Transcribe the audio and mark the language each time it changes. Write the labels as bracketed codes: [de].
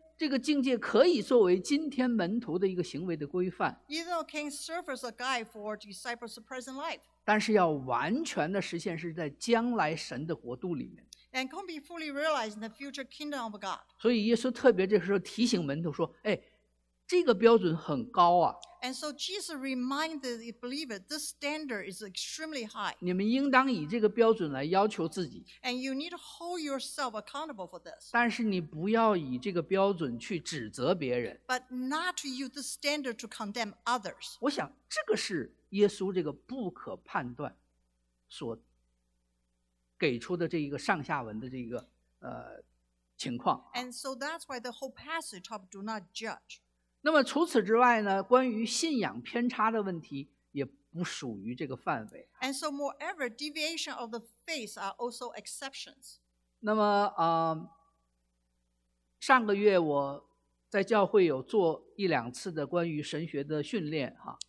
[zh] 这个境界可以作为今天门徒的一个行为的规范。 [en] Even though can serve as a guide for disciples' present life. [zh] 但是要完全的实现是在将来神的国度里面。 [en] And can be fully realized in the future kingdom of God. [zh] 所以耶稣特别这时候提醒门徒说，哎，这个标准很高啊。 [en] And so Jesus reminded the believers, this standard is extremely high. [zh] 你们应当以这个标准来要求自己。 [en] And you need to hold yourself accountable for this. [zh] 但是你不要以这个标准去指责别人。 [en] But not to use the standard to condemn others. [zh] 我想这个是耶稣这个不可判断所给出的这一个上下文的这一个情况。 [en] And so that's why the whole passage of do not judge. [zh] 那么除此之外呢，关于信仰偏差的问题也不属于这个范围。 [en] And so moreover, deviation of the faith are also exceptions. [zh] 那么上个月我在教会有做一两次的关于神学的训练哈。